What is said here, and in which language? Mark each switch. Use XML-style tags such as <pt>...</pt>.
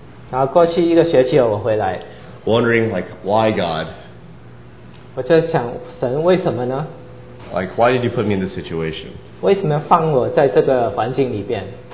<zh>然后过去一个学期我回来。</zh> <en>Wondering like why God.</en> <zh>我就想神为什么呢？</zh> <en>Like, why did you put me in this situation?</en> <zh>为什么放我在这个环境里边？</zh>